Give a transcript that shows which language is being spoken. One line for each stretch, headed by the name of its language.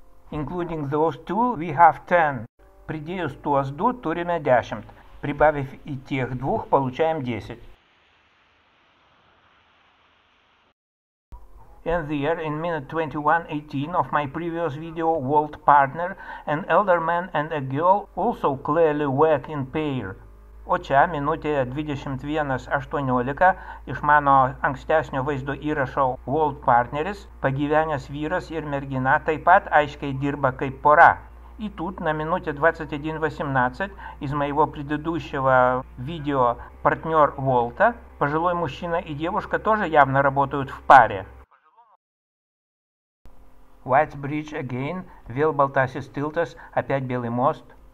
English: Including those two, we have 10.
Lithuanian: Pridėjus tuos du, turime 10.
Russian: Прибавив и тех двух, получаем 10.
English: And there, in minute 21:18 of my previous video, World Partner, an elder man and a girl also clearly work in pair.
Lithuanian: O čia, minutė 21:18, iš mano ankstesnio vaizdo įrašo World Partneris, pagyvenęs vyras ir mergina taip pat aiškiai dirba kaip pora.
Russian: И тут, на минуте 21:18, из моего предыдущего видео «Партнер Волта», пожилой мужчина и девушка тоже явно работают в паре.
English: White Bridge again,
Lithuanian: vėl baltasis tiltas,
Russian: опять белый мост.